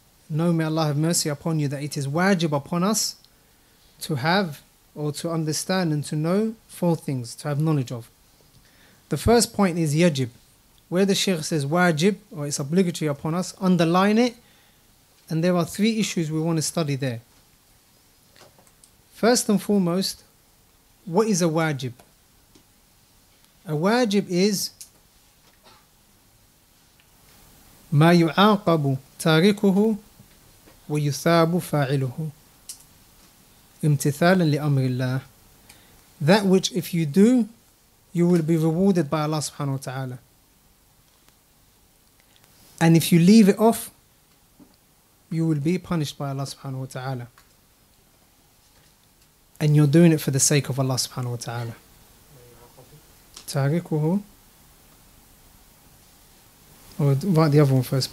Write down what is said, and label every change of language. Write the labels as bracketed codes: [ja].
[en] Know, may Allah have mercy upon you, that it is wajib upon us to have or to understand and to know four things, to have knowledge of. The first point is yajib. Where the Shaykh says wajib, or it's obligatory upon us, underline it. And there are three issues we want to study there. First and foremost, what is a wajib? A wajib is [ar] مَا يُعَاقَبُ تَارِكُهُ وَيُثَابُ فَاعِلُهُ امْتِثَالًا لِأَمْرِ اللَّهِ. [en] That which if you do, you will be rewarded by Allah subhanahu wa ta'ala. And if you leave it off, you will be punished by Allah subhanahu wa ta'ala. And you're doing it for the sake of Allah subhanahu wa ta'ala. تَارِكُهُ Or write the other one first.